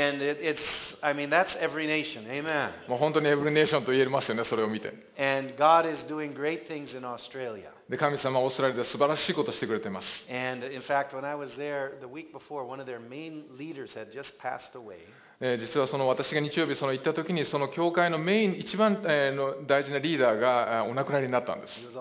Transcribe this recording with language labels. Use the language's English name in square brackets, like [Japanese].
[English] And it's, I mean, that's every nation. Amen. [Japanese] もう本当にエブリネーションと言えますよね、それを見て。 [English] And God is doing great things in Australia. [Japanese] で、神様はオーストラリアで素晴らしいことをしてくれています。 [English] And in fact, when I was there the week before, one of their main leaders had just passed away. [Japanese] 実はその私が日曜日その行った時にその教会のメイン一番の大事なリーダーがお亡くなりになったんです。